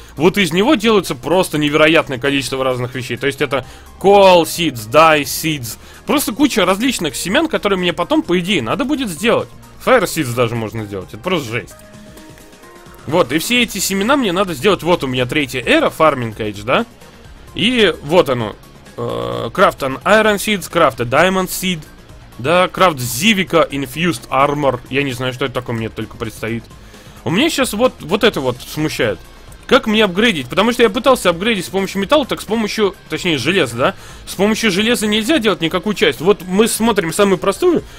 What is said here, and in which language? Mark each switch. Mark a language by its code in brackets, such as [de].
[ru] Вот из него делается просто невероятное количество разных вещей. То есть это coal seeds, dye seeds. Просто куча различных семян, которые мне потом, по идее, надо будет сделать. Fire seeds даже можно сделать, это просто жесть. Вот, и все эти семена мне надо сделать. Вот у меня третья эра, farming age, да? И вот оно. [en] Craft an iron seeds, craft a diamond seed. [ru] Да, крафт Зивика Infused Armor. Я не знаю, что это такое, мне только предстоит. У меня сейчас вот, вот это вот смущает. Как мне апгрейдить? Потому что я пытался апгрейдить с помощью металла, так с помощью, точнее, железа, да? С помощью железа нельзя делать никакую часть. Вот мы смотрим самую простую.